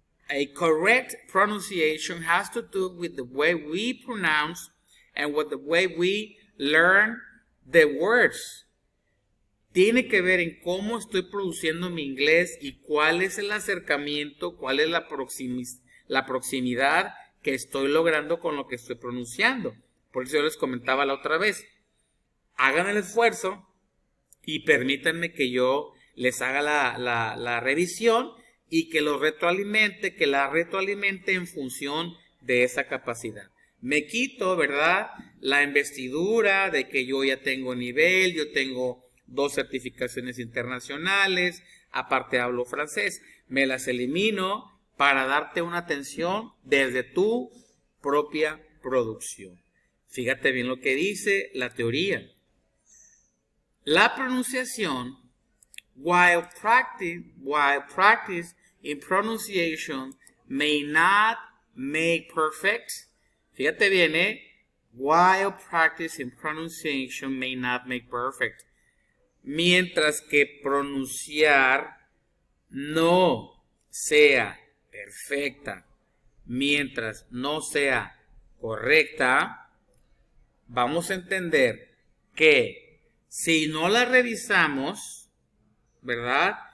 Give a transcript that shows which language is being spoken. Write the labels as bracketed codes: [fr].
[en] A correct pronunciation has to do with the way we pronounce and with the way we learn the words. [es] Tiene que ver en cómo estoy produciendo mi inglés y cuál es el acercamiento, cuál es la proximidad que estoy logrando con lo que estoy pronunciando. Por eso yo les comentaba la otra vez. Hagan el esfuerzo y permítanme que yo les haga la revisión y que lo retroalimente, que la retroalimente en función de esa capacidad. Me quito, ¿verdad?, la investidura de que yo ya tengo nivel, yo tengo dos certificaciones internacionales, aparte hablo francés. Me las elimino para darte una atención desde tu propia producción. Fíjate bien lo que dice la teoría. La pronunciación, [en] while practice in pronunciation may not make perfect. [es] Fíjate bien, ¿eh? [en] While practice in pronunciation may not make perfect. [es] Mientras que pronunciar no sea perfecta, mientras no sea correcta, vamos a entender que si no la revisamos, ¿verdad?